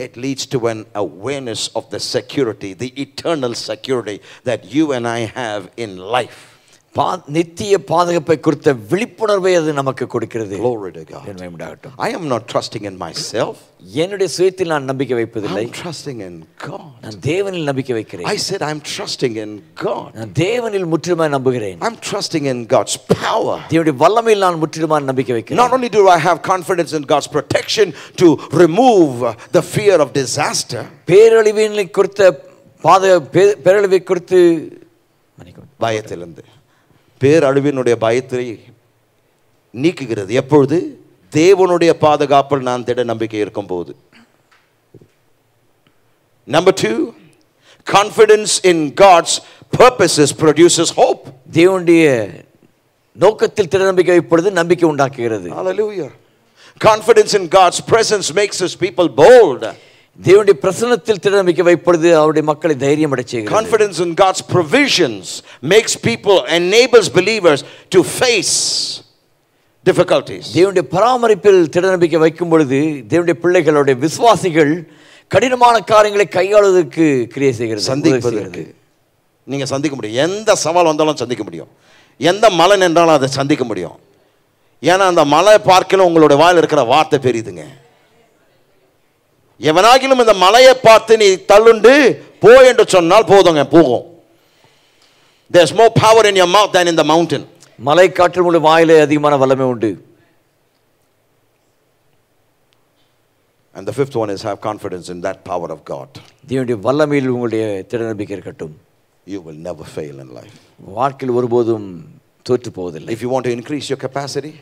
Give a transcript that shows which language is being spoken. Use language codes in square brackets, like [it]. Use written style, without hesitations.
[en] it leads to an awareness of the security, the eternal security that you and I have in life. [ta] நித்திய பாதுகாப்பை குறித்த விழிப்புணர்வை அது நமக்கு கொடுக்கிறது. [en] Glory to God. I am not trusting in myself. [ta] என்னுடைய சுயத்தில் நான் நம்பிக்கை வைப்பதில்லை. [en] I'm trusting in God. [ta] நான் தேவனில் நம்பிக்கை வைக்கிறேன். [en] I said I'm trusting in God. [ta] நான் தேவனில் முற்றிலுமாய் நம்புகிறேன். [en] I'm trusting in God's power. [ta] தேவனுடைய வல்லமையில் நான் முற்றிலுமாய் நம்பிக்கை வைக்கிறேன். [en] Not only do I have confidence in God's protection to remove the fear of disaster. [ta] பேரழிவினை குறித்த பேரழிவை குறித்து பயத்திலிருந்து பேரழிவினுடைய பயத்தை நீக்குகிறது. எப்பொழுது? தேவனுடைய பாதுகாப்பில் நான் திட நம்பிக்கை இருக்கும்போது. [en] Number 2, confidence in God's purposes produces hope. [ta] தேவனுடைய நோக்கத்தில் திட நம்பிக்கை வைப்பொழுது நம்பிக்கை உண்டாக்குகிறது. ஹல்லேலூயா. [en] Confidence in God's presence makes his people bold. [ta] தேவனுடைய பிரசன்னத்தில் திட நம்பிக்கை வைப்பொழுது அவருடைய மக்களை தைரியம் அடைய செய்கிறது. [en] Confidence in God's provisions makes people enables believers to face difficulties. [ta] தேவனுடைய பராமரிப்பில் திட நம்பிக்கை வைக்கும் பொழுது தேவனுடைய பிள்ளைகளுடைய விசுவாசிகள் கடினமான காரியங்களை கையாளுவதற்கு கிரியை செய்கிறது. சந்திப்பதற்கு நீங்க சந்திக்க முடியும். எந்த சவால் வந்தாலும் சந்திக்க முடியும். எந்த மலை நின்றாலும் அதை சந்திக்க முடியும். ஏன்னா அந்த மலை பார்க்கல உங்களுடைய வாயில் இருக்கிற வார்த்தை பெரியதுங்க. எவனாகிலும் இந்த மலையை பார்த்து நீ தள்ளுண்டு போ என்று சொன்னால் போதுங்க, போகும். [en] There's more power in your mouth than in the mountain. [ta] மலை காற்று முழு வாயிலே அதிகமான வல்லமை உண்டு. [en] And the fifth one is have confidence in that power of God. [ta] தேவனுடைய வல்லமையில் உங்களுடைய திடநம்பிக்கை இருக்கட்டும். [en] You will never fail in life. [ta] வாழ்க்கையில் ஒருபோதும் தோற்று போவதில்லை. [en] If you want to increase your capacity,